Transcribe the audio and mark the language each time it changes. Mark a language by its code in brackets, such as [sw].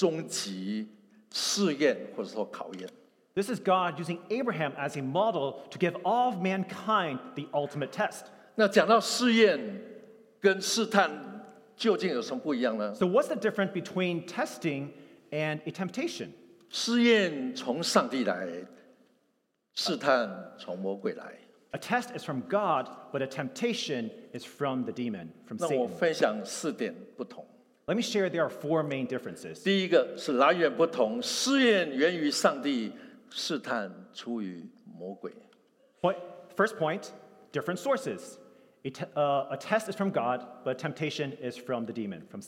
[zh] 这就是上帝以亚伯拉罕为范本，给全人类的一个终极试验或者说考验。 [en] This is God using Abraham as a model to give all of mankind the ultimate test. [zh] 那讲到试验跟试探究竟有什么不一样呢？ [en] So what's the difference between testing and a temptation? [zh] 试验从上帝来，试探从魔鬼来。 [en] A test is from God, but a temptation is from the demon, from Satan. [zh] 那我分享四点不同。 [en] Let me share there are four main differences. [zh] 第一个是来源不同，试验源于上帝，试探出于魔鬼。 [en] First point, different sources. A test is from God, but a temptation is from the demon, from Satan.